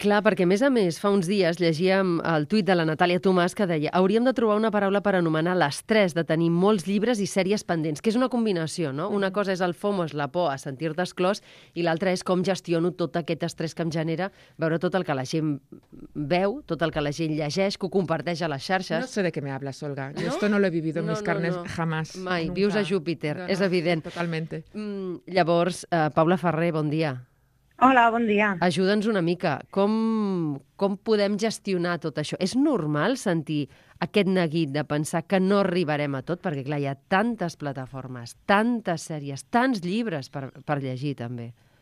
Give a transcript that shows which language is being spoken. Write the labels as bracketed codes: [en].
[ca] Clar, perquè a més, fa uns dies llegíem el tuit de la Natàlia Tomàs que deia hauríem de trobar una paraula per anomenar l'estrès de tenir molts llibres i sèries pendents, que és una combinació, no? Una cosa és el FOMO, és la por a sentir-te i l'altra és com gestiono tot aquest estrès que em genera veure tot el que la gent veu, tot el que la gent llegeix, que ho comparteix a les xarxes. [es] No sé de què me hables, Olga. No? Yo esto no lo he vivido en mis carnes jamás. [ca] Mai. Nunca. Vius a Júpiter, és evident. [es] Totalmente. [ca] Llavors, Paula Ferrer, bon dia. Hola, bon dia. Ajuda'ns una mica. Com podem gestionar tot això? És normal sentir aquest neguit de pensar que no arribarem a tot? Perquè, clar, hi ha tantes plataformes, tantes sèries, tants llibres per llegir, també.